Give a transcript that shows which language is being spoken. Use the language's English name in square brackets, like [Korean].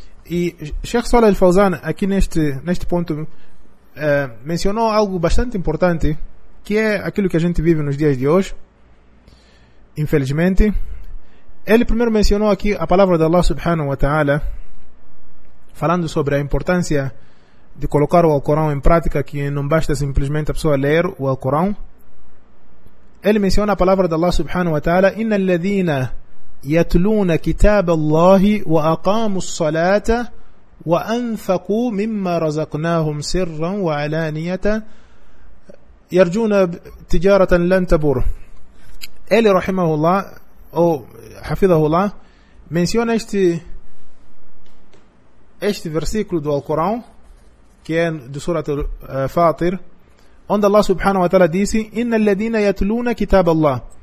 [Portuguese] E Sheikh Saleh Al-Fawzan, aqui neste ponto, mencionou algo bastante importante, que é aquilo que a gente vive nos dias de hoje, infelizmente. Ele primeiro mencionou aqui a palavra de Allah subhanahu wa ta'ala, falando sobre a importância de colocar o Alcorão em prática, que não basta simplesmente a pessoa ler o Alcorão. Ele menciona a palavra de Allah subhanahu wa ta'ala: [Arabic] "Inna alladhina يتلون كتاب الله وأقاموا الصلاة وأنفقوا مما رزقناهم سرا وعلانية يرجون تجارة لن تبور." [Portuguese] Ele, [Arabic] رحمه الله أو حفظه الله, [Portuguese] menciona este versículo do Alcorão, que é de سورة فاطر, onde Allah subhanahu wa ta'ala disse: [Arabic] "إن الذين يتلون كتاب الله."